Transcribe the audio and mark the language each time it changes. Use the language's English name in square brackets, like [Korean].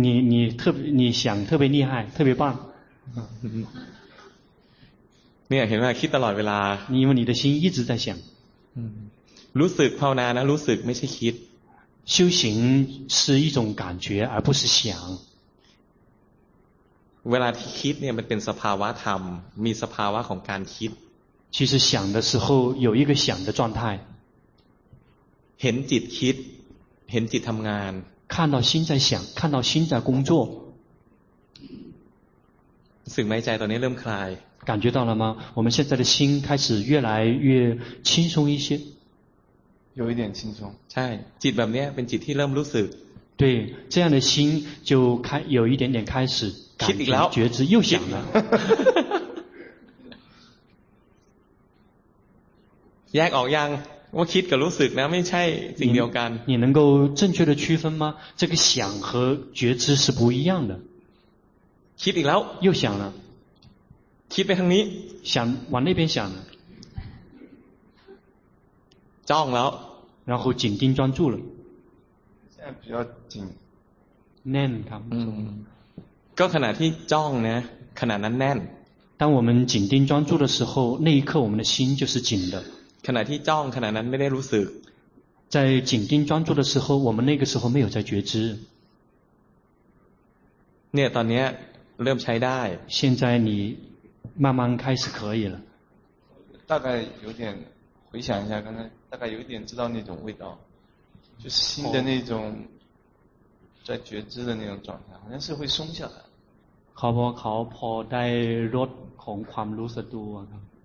[Chinese] 你特别你想特别厉害特别棒 [Thai] เนี่ยเห็นไหมคิดตลอดเวลา [Chinese] 因为你的心一直在想 [Thai] รู้สึกภาวนานะรู้สึกไม่ใช่คิด [Chinese] 修行是一种感觉而不是想 [Thai] เวลาที่คิดเนี่ยมันเป็นสภาวะธรรมมีสภาวะของการคิด [Chinese] 其实想的时候有一个想的状态 [Thai] เห็นจิตคิดเห็นจิตทำงาน [Chinese] 看到心在想看到心在工作 [Thai] สึกไหมใจตอนนี้เริ่มคลาย [Chinese] 感觉到了吗我们现在的心开始越来越轻松一些有一点轻松 [Thai] ใช่จิตแบบนี้เป็นจิตที่เริ่มรู้สึก [Chinese] 对这样的心就开有一点点开始 [Thai] คิดอีกแล้ว [Chinese] 觉知又想了 [Thai] แยกออกยังว่าคิดกับรู้สึกนะไม่ใช่สิ่งเดียวกัน [Chinese] 你能够正确的区分吗这个想和觉知是不一样的 [Thai] คิดอีกแล้ว [Chinese] 又想了 [Thai] คิดไปทางนี้ [Chinese] 想往那边想 [Thai] จ้องแล้ว [Chinese] 然后紧盯专注了现在比较紧 [Thai] แน่นครับ ก็ขณะที่จ้องนะขณะนั้นแน่น [Chinese] 当我们紧盯专注的时候那一刻我们的心就是紧的 [Thai] ขณะที่จ้องขณะนั้นไม่ได้รู้สึก [Chinese] 在紧盯专注的时候我们那个时候没有在觉知 [Thai] เนี่ยตอนนี้เริ่มใช้ได้ [Chinese] 现在你慢慢开始可以了大概有点回想一下刚才大概有点知道那种味道就是心的那种在觉知的那种状态好像是会松下来好不好好 [Thai] พอได้ลดของความรู้สึกตัวครับ